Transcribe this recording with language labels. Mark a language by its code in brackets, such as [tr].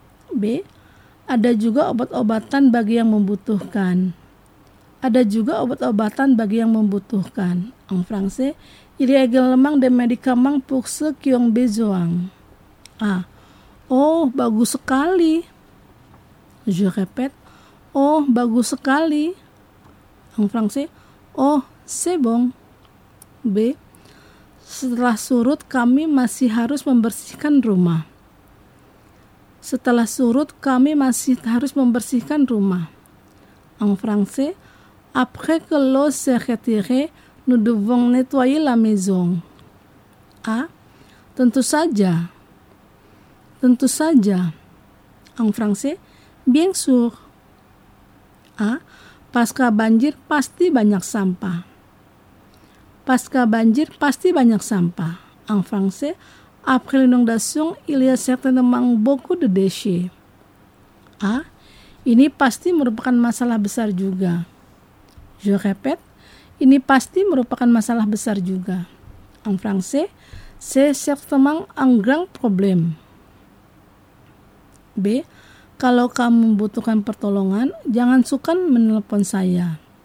[id] B. Ada juga obat-obatan bagi yang membutuhkan. Ada juga obat-obatan bagi yang membutuhkan. [fr] En français, il y a également des médicaments pour ceux qui ont besoin. [id] A. Oh, bagus sekali. [fr] Je répète. [id] Oh, bagus sekali. [fr] En français, oh, c'est bon. B. [id] Setelah surut, kami masih harus membersihkan rumah. Setelah surut, kami masih harus membersihkan rumah. [fr] En français, après que l'eau s'est retirée, nous devons nettoyer la maison. [id] A. Tentu saja. Tentu saja. [fr] En français, bien sûr. A. [id] Pasca banjir, pasti banyak sampah. Pasca banjir, pasti banyak sampah. [fr] En français, après l'inondation, il y a certainement beaucoup de déchets. [id] A. Ini pasti merupakan masalah besar juga. [fr] Je répète, [id] ini pasti merupakan masalah besar juga. [fr] En français, c'est certainement un grand problème. B. [id] Kalau kamu membutuhkan pertolongan, jangan sungkan menelpon saya.